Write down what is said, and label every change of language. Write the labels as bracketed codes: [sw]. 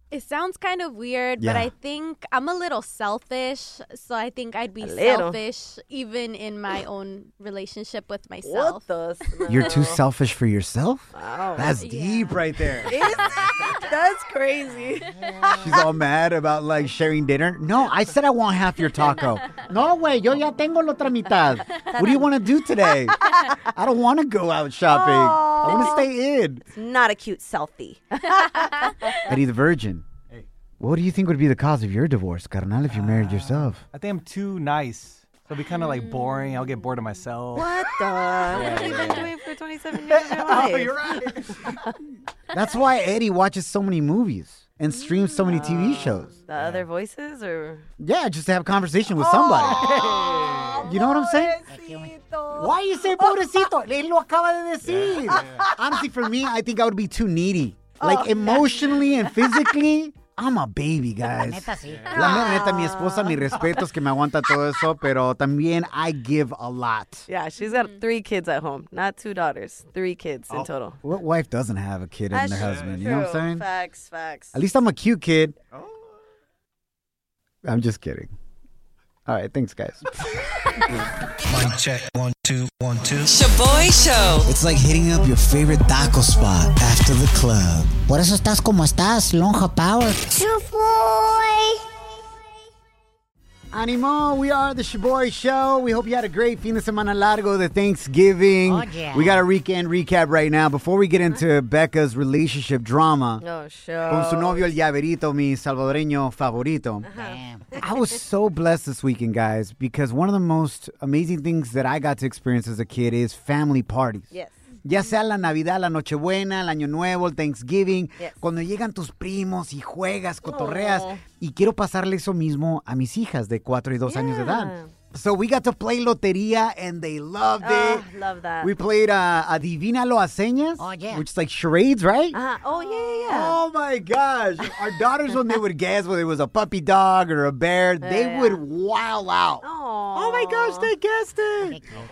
[en] It sounds kind of weird, but I think I'm a little selfish, so I think I'd be selfish even in my own relationship with myself. What the You're too selfish for yourself? Wow. That's deep right there. That's crazy. She's all mad about, like, sharing dinner. No, I said I want half your taco. No way, [es] yo ya tengo la otra mitad. [en] What do you want to do today? I don't want to go out shopping. Aww. I want to stay in. It's not a cute selfie. Eddie the Virgin. What do you think would be the cause of your divorce, carnal, if you married yourself? I think I'm too nice. So it'll be kind of like boring. I'll get bored of myself. What the? What have you been doing for 27 years of your life? Oh, you're right. That's why Eddie watches so many movies and streams so many TV shows. The other voices or? Yeah, just to have a conversation with somebody. You know what I'm saying? Why you say [es] pobrecito? Él lo acaba de decir. [en] Honestly, for me, I think I would be too needy. Like emotionally and physically. I'm a baby, guys. [es] La neta, sí. La neta, mi esposa, mi respeto es que me aguanta todo eso, pero también [en] I give a lot. Yeah, she's got three kids at home, not two daughters, three kids in total. What wife doesn't have a kid and their husband? True. You know what I'm saying? Facts, facts. At least I'm a cute kid. Oh. I'm just kidding. All right, thanks, guys. Mic check. 1, 2, 1, 2. Shaboy Show. It's like hitting up your favorite taco spot after the club. [es] Por eso estás como estás, lonja power. Shaboy. [en] Animo, we are the Shaboy Show. We hope you had a great [es] fin de semana largo de [en] Thanksgiving. Oh, yeah. We got a weekend recap right now. Before we get into Becca's relationship drama. Oh, sure. [es] Con su novio, el llaverito, mi salvadoreño favorito. [en] Damn. I was so blessed this weekend, guys, because one of the most amazing things that I got to experience as a kid is family parties. Yes. [es] Ya sea la Navidad, la Nochebuena, el Año Nuevo, el Thanksgiving. [en] Yes. [es] Cuando llegan tus primos y juegas, cotorreas. Oh. Y quiero pasarle eso mismo a mis hijas de 4 y 2 años de edad. [en] So we got to play Lotería and they loved it. Love that. We played Adivínalo a Señas. Oh, yeah. Which is like charades, right? Oh, yeah. Oh, my gosh. Our daughters, when they would guess whether it was a puppy dog or a bear, they would wild out. Aww. Oh, my gosh, they guessed it.